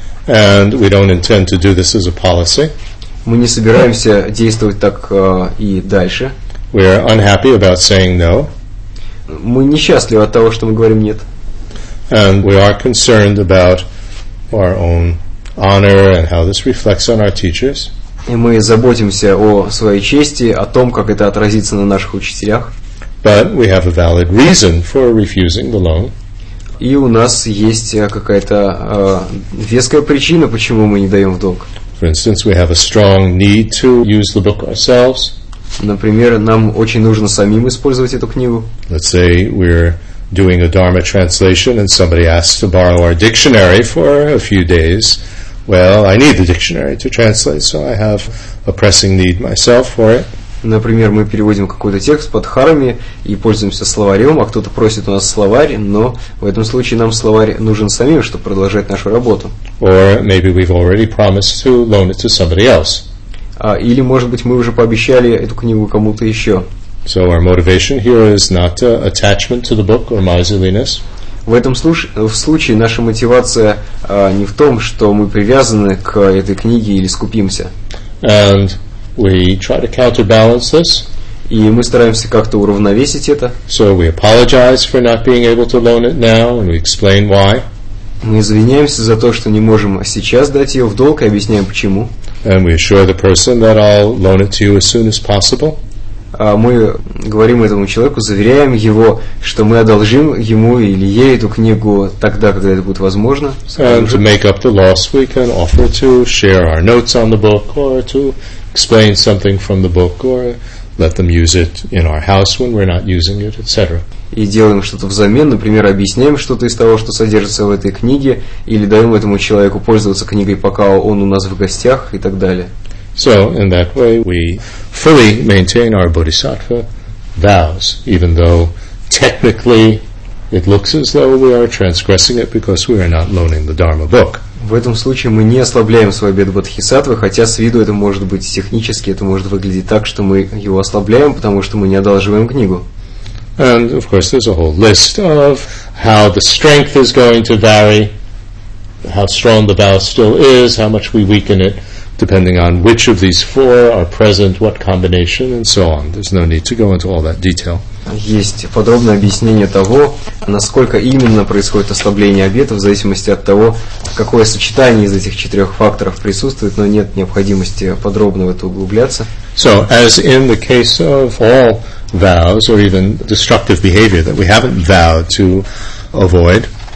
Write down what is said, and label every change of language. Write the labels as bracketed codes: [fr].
[en] And we don't intend to do this as a policy. [ru] Мы не собираемся действовать так и дальше. [en] We are unhappy about saying no. [ru] Мы несчастливы от того, что мы говорим нет. [en] And we are concerned about our own honor and how this reflects on our teachers. [ru] И мы заботимся о своей чести, о том, как это отразится на наших учителях. [en] But we have a valid reason for refusing the loan. [ru] И у нас есть какая-то веская причина, почему мы не даем в долг. [en] For instance, we have a strong need to use the book ourselves. [ru] Например, нам очень нужно самим использовать эту книгу. [en] Let's say we're doing a dharma translation and somebody asks to borrow our dictionary for a few days. Well, I need the dictionary to translate, so I have a pressing need myself for it. [ru] Например, мы переводим какой-то текст по дхарме и пользуемся словарем, а кто-то просит у нас словарь, но в этом случае нам словарь нужен самим, чтобы продолжать нашу работу. [en] Or maybe we've already promised to loan it to somebody else. [ru] Или, может быть, мы уже пообещали эту книгу кому-то еще. [en] So our motivation here is not attachment to the book or miserliness. [ru] В этом случае наша мотивация не в том, что мы привязаны к этой книге или скупимся. [en] And we try to counterbalance this. [ru] И мы стараемся как-то уравновесить это. [en] So we apologize for not being able to loan it now, and we explain why. [ru] Мы извиняемся за то, что не можем сейчас дать ее в долг, и объясняем почему. [en] And we assure the person that I'll loan it to you as soon as possible. [ru] Мы говорим этому человеку, заверяем его, что мы одолжим ему или ей эту книгу тогда, когда это будет возможно. [en] And to make up the loss, we can offer to share our notes on the book or to explain something from the book or let them use it in our house when we're not using it, etc. [ru] И делаем что-то взамен, например, объясняем что-то из того, что содержится в этой книге, или даем этому человеку пользоваться книгой, пока он у нас в гостях и так далее. [en] So in that way we fully maintain our bodhisattva vows, even though technically it looks as though we are transgressing it because we are not loaning the dharma book. [ru] В этом случае мы не ослабляем свой обет бодхисаттвы, хотя с виду это может быть технически, это может выглядеть так, что мы его ослабляем, потому что мы не одалживаем книгу. [en] And of course there's a whole list of how the strength is going to vary, how strong the vow still is, how much we weaken it, depending on which of these four are present, what combination, and so on. There's no need to go into all that detail. [ru] Есть подробное объяснение того, насколько именно происходит ослабление обета в зависимости от того, какое сочетание из этих четырех факторов присутствует, но нет необходимости подробно в это углубляться. [en] So, as in the case of all vows, or even destructive behavior that we haven't vowed to avoid,